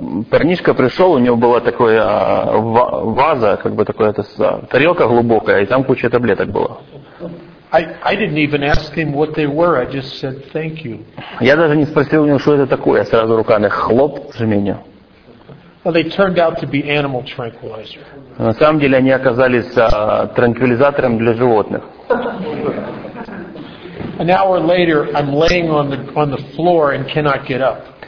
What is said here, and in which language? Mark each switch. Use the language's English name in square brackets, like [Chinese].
[Russian] Парнишка пришел, у него была такая ваза, как бы такая тарелка глубокая, и там куча таблеток было. [English] I didn't even ask him what they were. I just said thank you. [Russian] Я даже не спросил у него, что это такое. Я сразу руками хлоп жменю. [English] Well, they turned out to be animal tranquilizer. [Russian] На самом деле они оказались транквилизатором для животных. [English] An hour later, I'm laying on the floor and cannot get up.